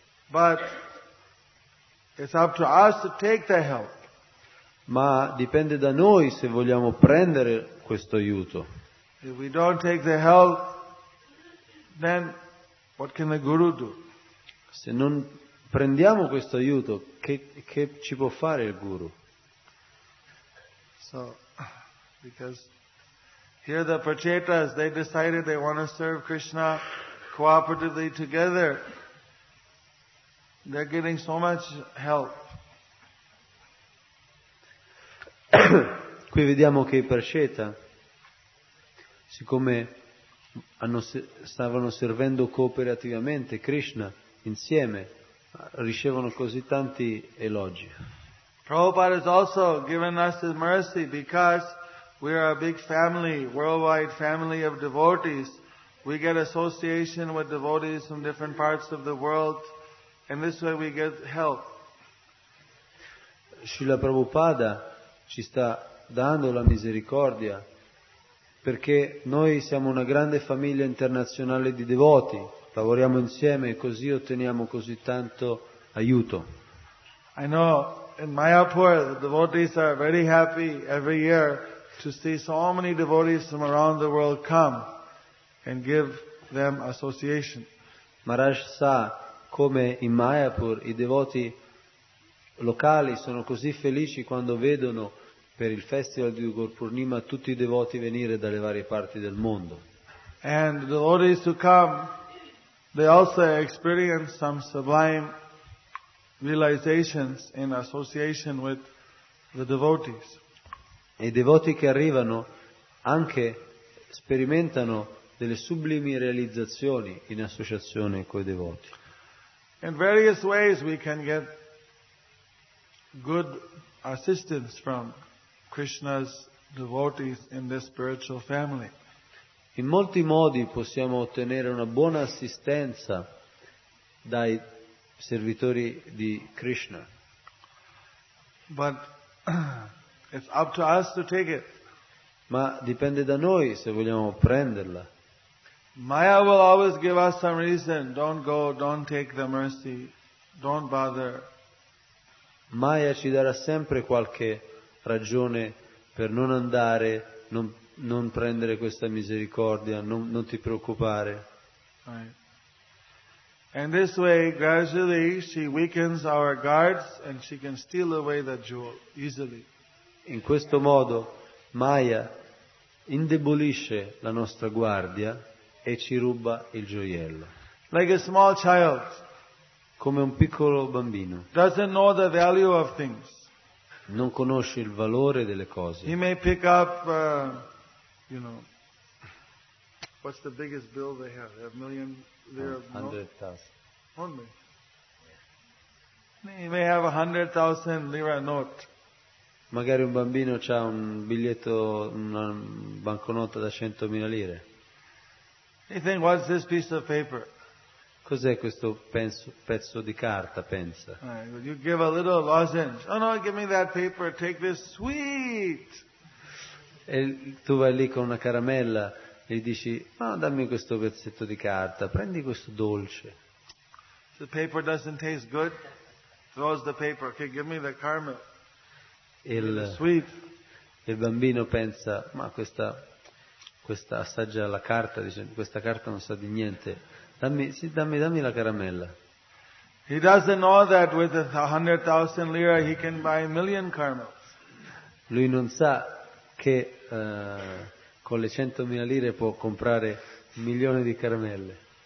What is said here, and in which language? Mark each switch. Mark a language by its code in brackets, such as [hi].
[en] But it's up to us to take the help. [it] Ma dipende da noi se vogliamo prendere questo aiuto. [en] If we don't take the help, then what can the guru do? [it] Se non prendiamo questo aiuto, che ci può fare il guru? [en] So, because here the Prachetas, they decided they want to serve Krishna cooperatively together. They're getting so much help. [it] Qui vediamo che i Prachetas, siccome stavano servendo cooperativamente Krishna insieme, ricevono così tanti elogi. [en] Prabhupada has also given us his mercy because we are a big family, worldwide family of devotees. We get association with devotees from different parts of the world, and this way we get help. [it] Srila Prabhupada ci sta dando la misericordia perché noi siamo una grande famiglia internazionale di devoti, lavoriamo insieme e così otteniamo così tanto aiuto. [en] I know. In Mayapur, the devotees are very happy every year to see so many devotees from around the world come and give them association. [it] Maharaj sa come in Mayapur i devoti locali sono così felici quando vedono per il festival di Gurpurnima tutti i devoti venire dalle varie parti del mondo. [en] And the devotees who come, they also experience some sublime realizations in association with the devotees. [it] E i devoti che arrivano anche sperimentano delle sublimi realizzazioni in associazione con i devoti. [en] In various ways we can get good assistance from Krishna's devotees in this spiritual family. [it] In molti modi possiamo ottenere una buona assistenza dai servitori di Krishna. [en] But it's up to us to take it. [it] Ma dipende da noi se vogliamo prenderla. [en] Maya will always give us some reason. Don't go, don't take the mercy, don't bother. [it] Maya ci darà sempre qualche ragione per non andare, non prendere questa misericordia, non ti preoccupare. [en] Right. And this way, gradually, she weakens our guards and she can steal away the jewel easily. [it] In questo modo, Maya indebolisce la nostra guardia e ci ruba il gioiello. [en] Like a small child. [it] Come un piccolo bambino. [en] Doesn't know the value of things. [it] Non conosce il valore delle cose. [en] He may pick up, you know, what's the biggest bill they have? They have a million lira. 100,000. Only. He may have 100,000 lira note. [it] Magari un bambino c'ha un biglietto, una banconota da 100.000 lire. [en] He think, what's this piece of paper? [it] Cos'è questo pezzo di carta, pensa? [en] Right, you give a little lozenge. Oh no, give me that paper, take this sweet. [it] E tu vai lì con una caramella e gli dici, ma oh, dammi questo pezzetto di carta, prendi questo dolce. [en] The paper doesn't taste good. Throws the paper. Okay, give me the caramel. [it] Il bambino pensa, ma questa assaggia la carta, dice, questa carta non sa di niente, dammi la caramella. [en] He doesn't know that with 100,000 lira he can buy a million caramels. [it] Lui non sa che con le 100.000 lire può comprare un milione di caramelle.